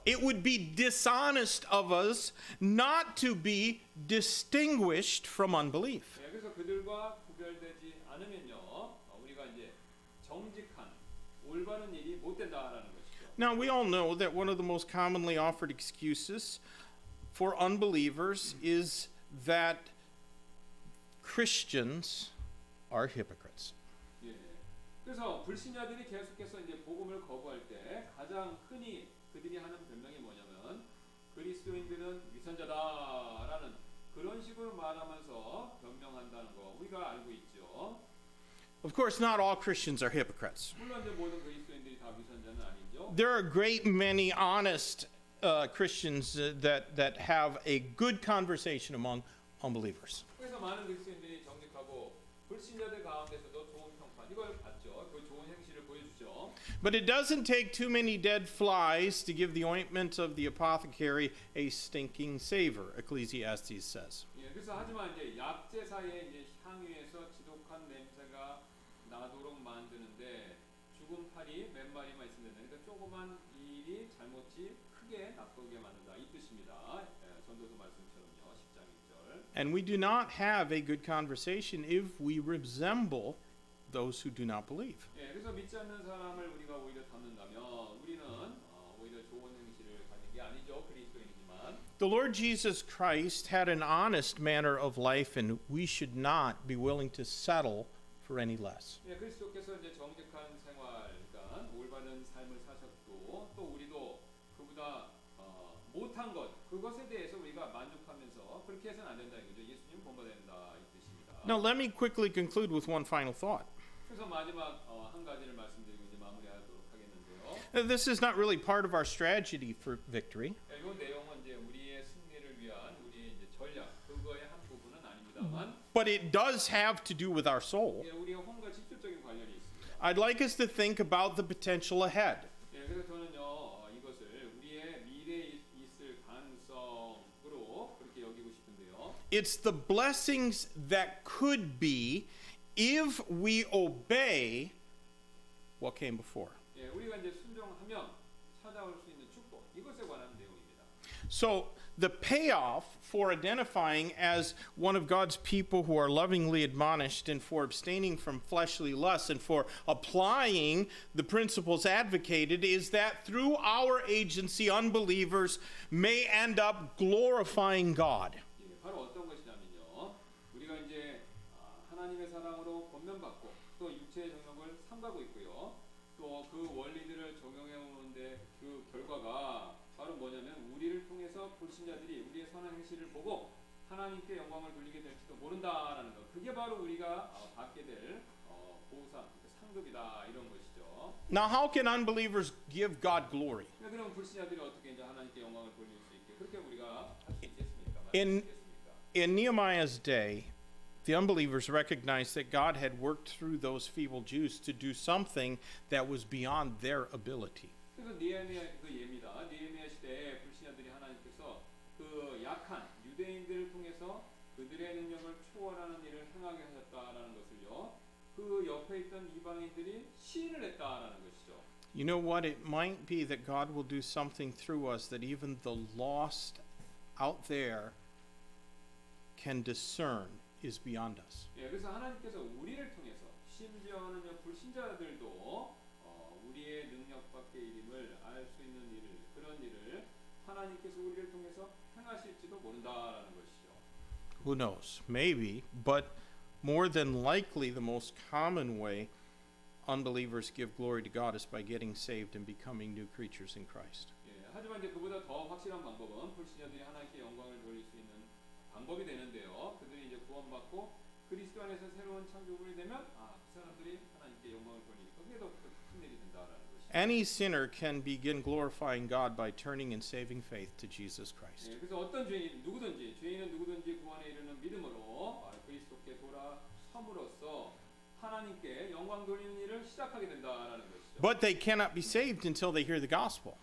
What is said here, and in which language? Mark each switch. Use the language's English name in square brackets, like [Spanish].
[English] It would be dishonest of us not to be distinguished from unbelief. [Korean] 예, 그래서 그들과 구별되지 않으면요, 우리가 이제 정직한 올바른 일이 못 된다라는 것이죠. [English] Now we all know that one of the most commonly offered excuses for unbelievers is that Christians are hypocrites. [Korean] 그래서 불신자들이 계속해서 이제 복음을 거부할 때 가장 흔히 그들이 하는 변명이 뭐냐면 그리스도인들은 위선자다라는 그런 식으로 말하면서 변명한다는 거 우리가 알고 있죠. [English] Of course, not all Christians are hypocrites. [Korean] 물론 이제 모든 그리스도인들이 다 위선자는 아니죠. [English] There are a great many honest Christians that have a good conversation among unbelievers. [Korean] 그래서 많은 그리스도인들이 정직하고 불신자들 가운데서도 좋은 평판 이걸 받죠. 그 좋은 행실을 보여주죠. [English] But it doesn't take too many dead flies to give the ointment of the apothecary a stinking savor, Ecclesiastes says. [Korean] 예, 그래서 하지만 이제 약제사의 이제 향유에서 지독한 냄새가 나도록 만드는데 죽은 파리 몇 마리만 있으면 되니까 조그만 일이 잘못이 크게 나쁘게 만든다 이 뜻입니다. 예, 전도서 말씀처럼요, 10장 1절. [English] And we do not have a good conversation if we resemble those who do not believe. [Korean] 예, 그래서 믿지 않는 사람을 우리가 오히려 닮는다면 우리는 오히려 좋은 행실을 갖는 게 아니죠, 그리스도인이지만. [English] The Lord Jesus Christ had an honest manner of life, and we should not be willing to settle for any less. [Korean] 예, 그리스도께서 이제 정직한 생활, 그러니까 올바른 삶을 사셨고 또 우리도 그보다 못한 것 그것에 대해서 우리가 만족하면서 그렇게 해서는 안 된다 이거죠. 예수님 본받는다 이 뜻입니다. [English] Now let me quickly conclude with one final thought. [Korean] 그래서 마지막 한 가지를 말씀드리고 이제 마무리하도록 하겠는데요. [English] Now, this is not really part of our strategy for victory. [Korean] 예, 이 내용은 이제 우리의 승리를 위한 우리의 이제 전략 그거의 한 부분은 아닙니다만. [English] But it does have to do with our soul. [Korean] 예, 우리의 혼과 직접적인 관련이 있습니다. [English] I'd like us to think about the potential ahead. [Korean] 예, 그래서 저는요 이것을 우리의 미래에 있을 가능성으로 그렇게 여기고 싶은데요. [English] It's the blessings that could be if we obey what came before. [Korean] 예, 우리가 이제 순종하면 찾아올 수 있는 축복 이것에 관한 내용입니다. [English] So the payoff for identifying as one of God's people who are lovingly admonished and for abstaining from fleshly lusts and for applying the principles advocated is that through our agency, unbelievers may end up glorifying God. [Korean] 예, 바로 어떤 것이냐면요. 우리가 이제 하나님의 사랑으로 권면받고 또 육체의 정욕을 삼가고 있고요. 또 그 원리들을 적용해 오는데 그 결과가 바로 뭐냐면 우리를 통해서 불신자들이 우리의 선한 행실을 보고 하나님께 영광을 돌리게 될지도 모른다라는 것. 그게 바로 우리가 받게 될 보상, 상급이다 이런 것이죠. [English] Now how can unbelievers give God glory? [Korean] 그럼 불신자들이 어떻게 이제 하나님께 영광을 돌릴 수 있게 그렇게 우리가 할 수 있겠습니까? [English] In Nehemiah's day, the unbelievers recognized that God had worked through those feeble Jews to do something that was beyond their ability. [Korean] 그래서 니에미아 그 예입니다. 니에미아 시대에 불신자들이 하나님께서 그 약한 유대인들을 통해서 그들의 능력을 초월하는 일을 행하게 하셨다라는 것을요. 그 옆에 있던 이방인들이 시인을 했다라는 것이죠. [English] You know what? It might be that God will do something through us that even the lost out there can discern is beyond us. [Korean] 예, 그래서 하나님께서 우리를 통해서 심지어는 불신자들도 우리의 능력밖에 이름을 알 수 있는 일을 그런 일을 하나님께서 우리를 통해서 행하실지도 모른다라는 것이죠. [English] Who knows? Maybe, but more than likely the most common way unbelievers give glory to God is by getting saved and becoming new creatures in Christ. [Korean] 예, 하지만 이제 그보다 더 확실한 방법은 불신자들이 하나님께 영광을 돌릴 수 있는 방법이 되는데요. 그들이 이제 구원받고 그리스도 안에서 새로운 창조물이 되면 그 사람들이 하나님께 영광을 돌리니까 그게 더 [English] Any sinner can begin glorifying God by turning and saving faith to Jesus Christ. [Korean] 예, 그래서 어떤 죄인 누구든지 죄인은 누구든지 구원에 이르는 믿음으로 그리스도께 돌아섬으로써 하나님께 영광 돌리는 일을 시작하게 된다라는 것이죠. [English] But they cannot be saved until they hear the gospel.